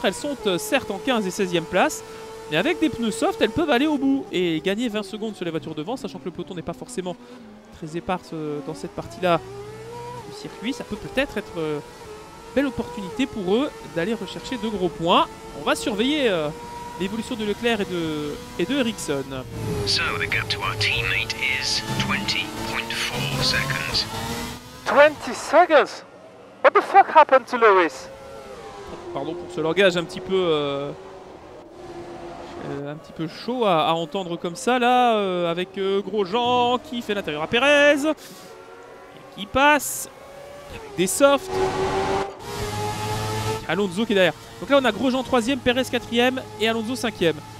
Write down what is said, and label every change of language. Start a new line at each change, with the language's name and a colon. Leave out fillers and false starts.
French: Elles sont certes en 15 et 16e place, mais avec des pneus soft, elles peuvent aller au bout et gagner 20 secondes sur les voitures devant, sachant que le peloton n'est pas forcément très épars dans cette partie-là du circuit. Ça peut peut-être être une belle opportunité pour eux d'aller rechercher de gros points. On va surveiller l'évolution de Leclerc et de Ericsson.
English: So, the gap to our teammate is 20.4 seconds. 20 seconds? What the fuck happened to Lewis?
French: Pardon pour ce langage un petit peu chaud à entendre comme ça là, avec Grosjean qui fait l'intérieur à Perez et qui passe avec des softs. Alonso qui est derrière. Donc là on a Grosjean 3ème, Perez 4ème et Alonso 5ème.